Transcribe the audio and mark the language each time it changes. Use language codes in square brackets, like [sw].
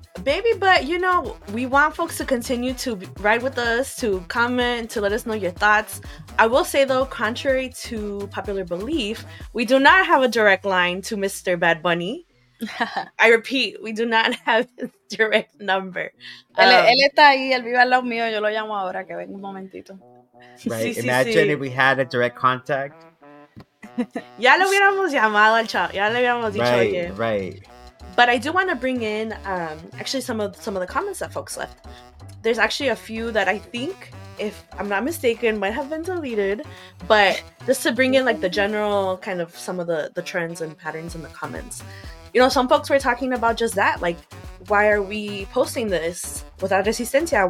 [en] Baby, but you know, we want folks to continue to ride with us, to comment, to let us know your thoughts. I will say though, contrary to popular belief, we do not have a direct line to Mr. Bad Bunny. I repeat, we do not have his direct number. [es] Él está ahí, él vive al lado mío, yo lo llamo ahora, que venga un momentito. [en] Right, sí, imagine sí. If we had a direct contact. [es] Ya lo hubiéramos llamado al chat, ya le hubiéramos dicho [en] right, [es] oye. [en] Right. But I do want to bring in actually some of the comments that folks left. There's actually a few that I think, if I'm not mistaken, might have been deleted, but just to bring in like the general kind of some of the trends and patterns in the comments. You know, some folks were talking about just that, like, why are we posting this without resistencia?